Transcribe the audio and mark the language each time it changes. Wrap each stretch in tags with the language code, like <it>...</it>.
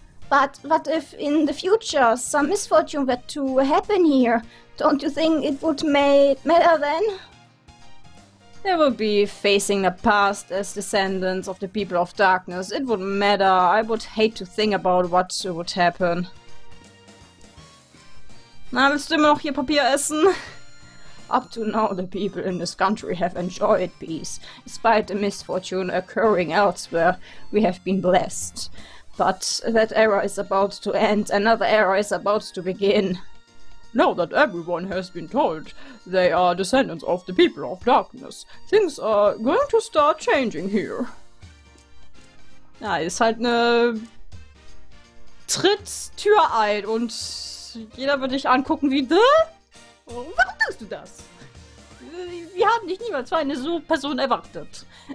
<en>But what if in the future some misfortune were to happen here? Don't you think it would make matter then? They would be facing the past as descendants of the people of darkness. It wouldn't matter. I would hate to think about what would happen.</en> <de>Na, willst du immer noch hier Papier essen?</de> <en>Up to now, the people in this country have enjoyed peace. Despite the misfortune occurring elsewhere, we have been blessed. But that era is about to end. Another era is about to begin. Now that everyone has been told they are descendants of the people of darkness, things are going to start changing here.</en> <de>Ja, ist halt eine... Tritt Tür ein und jeder wird dich angucken wie... Dö? Warum tust du das? Wir haben dich niemals für eine so Person erwartet.</de>